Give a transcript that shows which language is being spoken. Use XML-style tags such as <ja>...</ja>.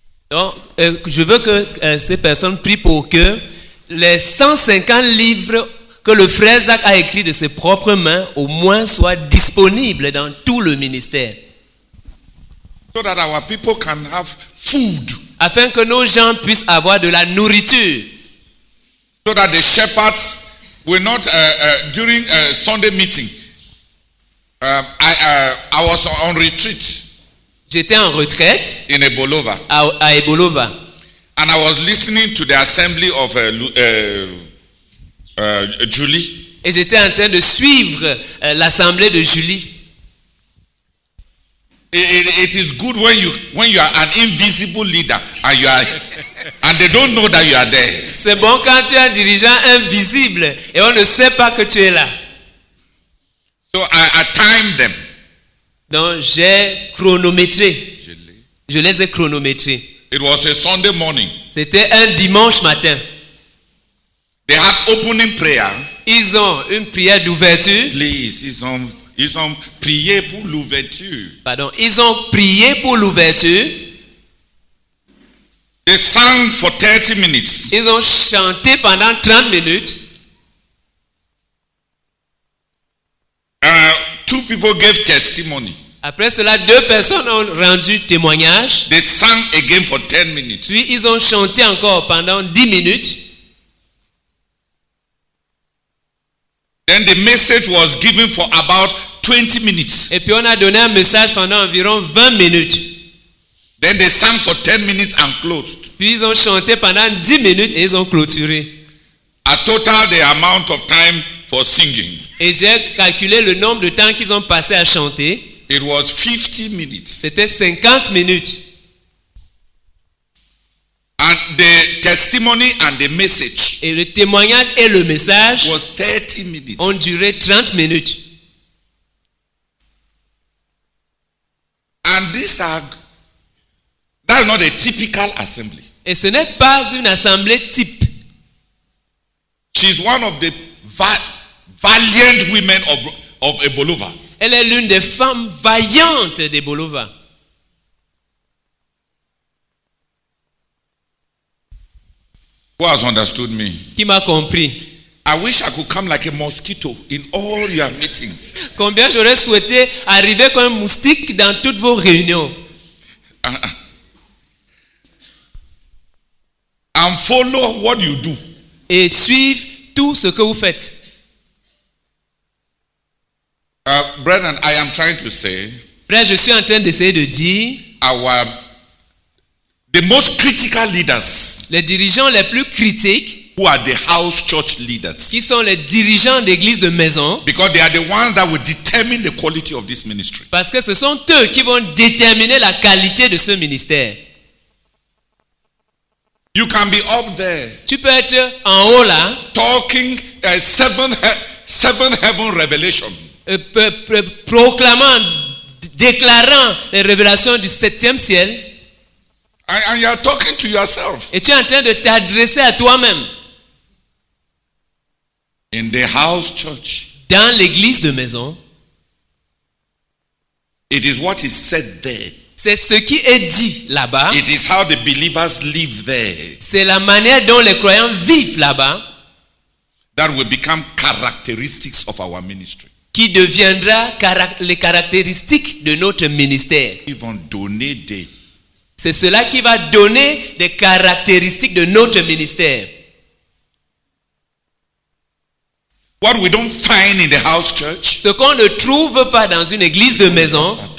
<fr>Donc, je veux que ces personnes prient pour que les 150 livres que le frère Zach a écrit de ses propres mains au moins soient disponibles dans tout le ministère.</fr> <en>So that our people can have food.</en> <fr>Afin que nos gens puissent avoir de la nourriture.</fr> <en>So that the shepherds will not during a Sunday meeting. I was on retreat.</en> <fr>J'étais en retraite</fr> <en>in Ebolova.</en> <fr>À Ebolova.</fr> <en>And I was listening to the assembly of Julie.</en> <fr>Et j'étais en train de suivre l'assemblée de Julie.</fr> <en>It is good when you are an invisible leader and you are and they don't know that you are there.</en> <fr>C'est bon quand tu es un dirigeant invisible et on ne sait pas que tu es là.</fr> <en>So I timed them.</en> <fr>Donc j'ai chronométré. Je les ai chronométrés.</fr> <en>It was a Sunday morning.</en> <fr>C'était un dimanche matin.</fr> <en>They had opening prayer.</en> <fr>Ils ont une prière d'ouverture. Please, ils ont prié pour l'ouverture. Pardon, ils ont prié pour l'ouverture.</fr> <en>They sang for 30 minutes.</en> <fr>Ils ont chanté pendant 30 minutes.</fr> <en>Two people gave testimony.</en> <fr>Après cela, deux personnes ont rendu témoignage.</fr> <en>They sang again for 10 minutes.</en> <fr>Puis ils ont chanté encore pendant 10 minutes.</fr> <en>Then the message was given for about 20 minutes.</en> <fr>Et puis on a donné un message pendant environ 20 minutes.</fr> <en>Then they sang for 10 minutes and closed.</en> <fr>Puis ils ont chanté pendant 10 minutes et ils ont clôturé.</fr> <en>A total the amount of time for singing.</en> <fr>Et j'ai calculé le nombre de temps qu'ils ont passé à chanter.</fr> <en>It was 50 minutes.</en> <fr>C'était 50 minutes.</fr> <en>And the testimony and the message.</en> <fr>Et le témoignage et le message</fr> <en>was 30 minutes.</en> <fr>Ont duré 30 minutes.</fr> <en>And this that's not a typical assembly.</en> <fr>Et ce n'est pas une assemblée type.</fr> <en>She's one of the valiant women of Ebolova.</en> <fr>Elle est l'une des femmes vaillantes de Bolova.</fr> <en>Who has understood me?</en> <fr>Qui m'a compris?</fr> <en>I wish I could come like a mosquito in all your meetings.</en> <fr>Combien j'aurais souhaité arriver comme un moustique dans toutes vos réunions.</fr> <en>And follow what you do.</en> <fr>Et suivre tout ce que vous faites.</fr> <en>Brethren, I am trying to say.</en> <fr>Frère, je suis en train d'essayer de dire.</fr> <en>The most critical leaders.</en> <fr>Les dirigeants les plus critiques.</fr> <en>who are the house church leaders.</en> <fr>Qui sont les dirigeants d'église de maison.</fr> <en>Because they are the ones that will determine the quality of this ministry.</en> <fr>Parce que ce sont eux qui vont déterminer la qualité de ce ministère.</fr> <en>You can be up there.</en> <fr>Tu peux être en haut là.</fr> <en>Talking seven heaven revelation.</en> <fr>Proclamant, déclarant les révélations du septième ciel.</fr> <en>And you are talking to yourself.</en> <fr>Et tu es en train de t'adresser à toi-même.</fr> <en>In the house church.</en> <fr>Dans l'église de maison.</fr> <en>It is what is said there.</en> <fr>C'est ce qui est dit là-bas.</fr> <en>It is how the believers live there.</en> <fr>C'est la manière dont les croyants vivent là-bas.</fr> <en>That will become characteristics of our ministry.</en> <fr>Qui deviendra les caractéristiques de notre ministère. Ils vont donner des. C'est cela qui va donner des caractéristiques de notre ministère.</fr> <en>What we don't find in the house church,</en> <fr>ce qu'on ne trouve pas dans une église de maison.</fr>